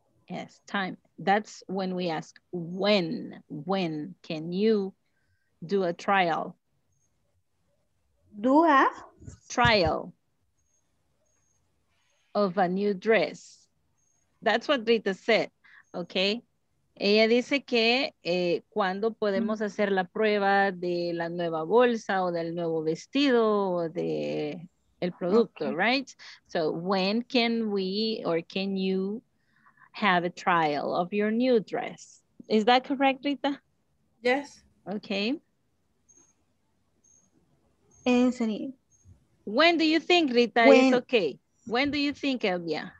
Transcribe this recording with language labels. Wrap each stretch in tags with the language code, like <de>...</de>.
<en>Yes, time. That's when we ask when. When can you do a trial? Do a trial of a new dress. That's what Rita said, okay?</en> <es>Ella dice que cuando podemos hacer la prueba de la nueva bolsa o del nuevo vestido o de el producto, okay.</es> <en>Right? So when can we or can you have a trial of your new dress? Is that correct, Rita? Yes. Okay. Anthony. When do you think, Rita, when? It's okay? When do you think, Elvia?</en>